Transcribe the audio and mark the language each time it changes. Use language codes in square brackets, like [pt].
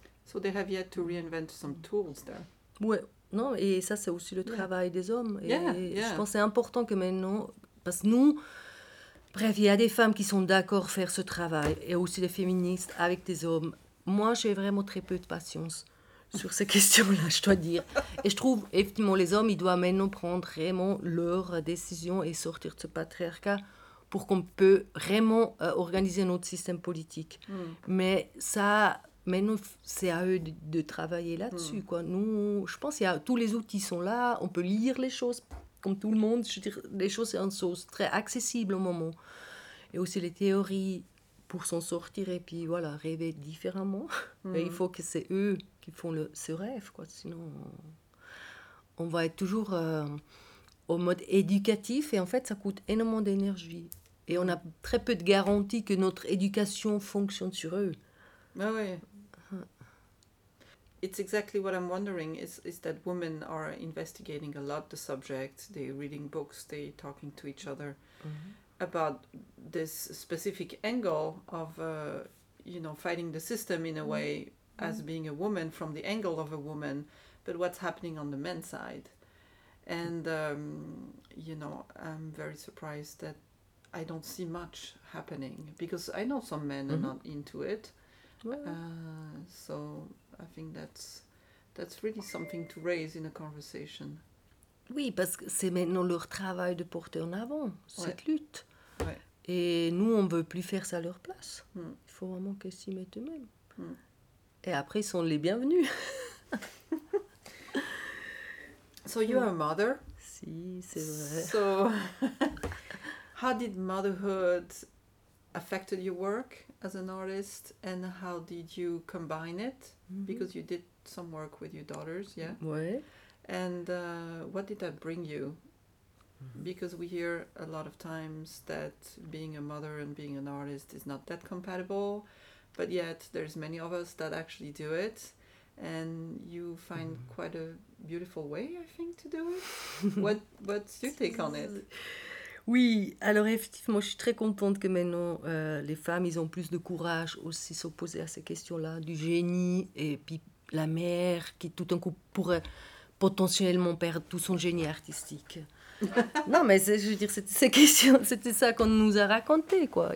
[en] So they have yet to reinvent some tools there. [fr] Ouais, non, et ça, c'est aussi le travail des hommes. Et je pense que c'est important que maintenant... Parce que nous, bref, il y a des femmes qui sont d'accord faire ce travail, et aussi des féministes avec des hommes. Moi, j'ai vraiment très peu de patience sur ces questions-là, je dois dire. Et je trouve, effectivement, les hommes, ils doivent maintenant prendre vraiment leur décision et sortir de ce patriarcat pour qu'on peut vraiment organiser notre système politique. Mm. Mais ça, maintenant, c'est à eux de travailler là-dessus. Mm. Quoi. Nous, je pense que tous les outils sont là, on peut lire les choses... Comme tout le monde, je veux dire, les choses sont en sauce, très accessibles au moment. Et aussi les théories pour s'en sortir et puis voilà, rêver différemment. Mmh. Et il faut que c'est eux qui font ce rêve, quoi. Sinon, on va être toujours au mode éducatif et en fait, ça coûte énormément d'énergie. Et on a très peu de garanties que notre éducation fonctionne sur eux. Ah oui. [en] It's exactly what I'm wondering, is that women are investigating a lot the subject, they're reading books, they're talking to each other mm-hmm. about this specific angle of, fighting the system in a way mm-hmm. as being a woman from the angle of a woman, but what's happening on the men's side. And, I'm very surprised that I don't see much happening, because I know some men mm-hmm. are not into it. So I think that's really something to raise in a conversation. [fr] Oui, parce que c'est maintenant leur travail de porter en avant cette lutte. Ouais. Et nous, on ne veut plus faire ça à leur place. Mm. Il faut vraiment qu'ils s'y mettent eux-mêmes. Mm. Et après, ils sont les bienvenus. [en] So you are a mother. [fr] Si, c'est vrai. [en] So how did motherhood affected your work as an artist, and how did you combine it? Mm-hmm. Because you did some work with your daughters, yeah? [fr] Ouais. [en] And what did that bring you? Mm-hmm. Because we hear a lot of times that being a mother and being an artist is not that compatible, but yet there's many of us that actually do it, and you find mm-hmm. quite a beautiful way, I think, to do it. What's your take on it? [fr] Oui, alors effectivement, je suis très contente que maintenant les femmes, ils ont plus de courage aussi s'opposer à ces questions-là, du génie et puis la mère qui tout d'un coup pourrait potentiellement perdre tout son génie artistique. Non, mais je veux dire, c'était ça qu'on nous a raconté, quoi.